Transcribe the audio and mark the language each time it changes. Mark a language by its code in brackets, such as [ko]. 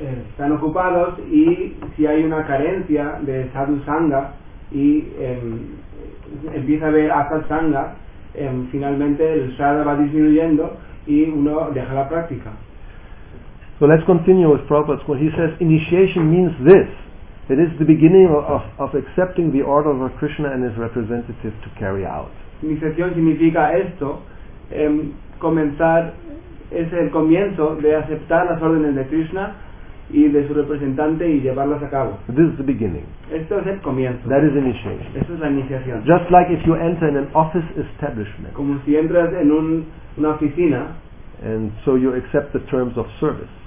[es] Están ocupados y si hay una carencia de sadhu sangha y empieza a haber asat sangha, finalmente el shraddha va disminuyendo y uno deja la práctica. [en] So let's continue with Prabhupada's quote. He says initiation means this. It is the beginning of accepting the order of Krishna and his representative to carry out. [es] Iniciación significa esto, comenzar, es el comienzo de aceptar las órdenes de Krishna y de su representante y llevarlas a cabo. [en] This is the beginning. [es] Esto es el comienzo. [en] That is initiation. [es] Esto es la iniciación. [en] Just like if you enter in an office establishment. [es] Como si entras en una oficina. [en] And so you accept the terms of service.